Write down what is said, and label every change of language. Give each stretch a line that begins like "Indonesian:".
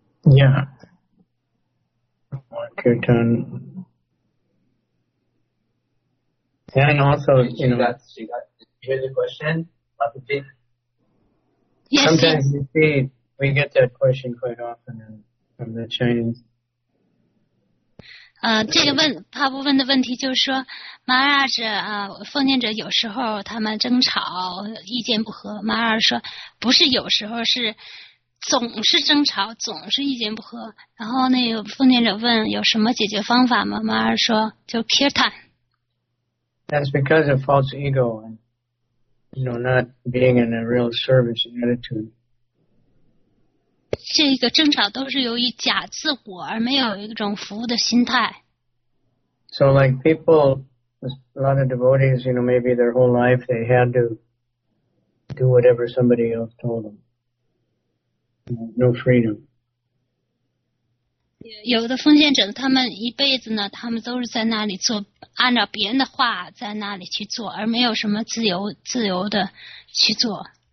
English: Yeah. Mark your turn. And also, you know. Did you hear the question? Yes. Sometimes you see, we get that question quite often from the Chinese.
Chinese: 这个问帕布问的问题就是说，马拉什啊，奉献者有时候他们争吵，意见不合。马拉什说，不是有时候，是总是争吵，总是意见不合。然后那个奉献者问，有什么解决方法吗？马拉什说，就 kirtan。
English: That's because of false ego and you know not being in a real service attitude.
Chinese: 这个争吵都是由于假自我而没有一种服务的心态。
English: So like people, a lot of devotees, you know, maybe their whole life they had to do whatever somebody else told them. No freedom.
Chinese: 有的奉献者他们一辈子呢，他们都是在那里做，按照别人的话在那里去做，而没有什么自由的去做。